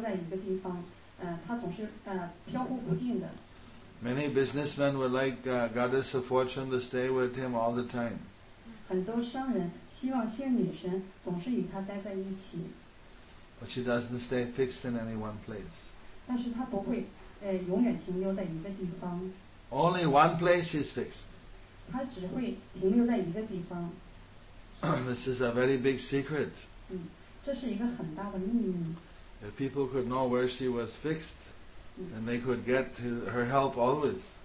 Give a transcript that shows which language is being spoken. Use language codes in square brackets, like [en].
[zh] 在梵文里面的意思呢，是她从来不会停留在一个地方，她总是飘忽不定的。 [en] Many businessmen would like Goddess of Fortune to stay with him all the time. [zh] 很多商人希望幸运女神总是与他待在一起。 [en] But she doesn't stay fixed in any one place. [zh] 但是她不会永远停留在一个地方。 [en] Only one place is fixed. [zh] 她只会停留在一个地方。 [en] This is a very big secret. [zh] 这是一个很大的秘密。 [en] If people could know where she was fixed, then they could get to her help always.